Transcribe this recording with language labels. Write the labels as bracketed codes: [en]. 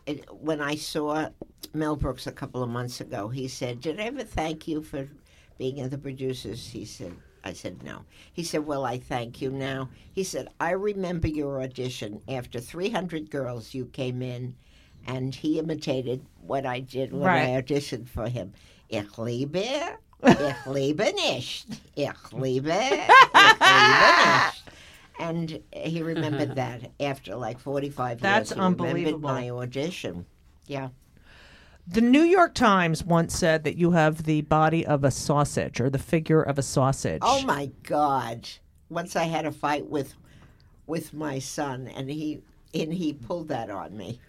[en] When I saw Mel Brooks a couple of months ago, he said, did I ever thank you for... being in The Producers, he said, I said, no. He said, well, I thank you now. He said, I remember your audition. After 300 girls, you came in, and he imitated what I did when I auditioned for him. [de] Ich liebe, ich liebe nicht. Ich liebe, ich liebe nicht. [en] And he remembered that after like 45 That's That's unbelievable. He remembered my audition. Yeah. The New York Times once said that you have the body of a sausage or the figure of a sausage. Oh, my God. Once I had a fight with my son, and he pulled that on me.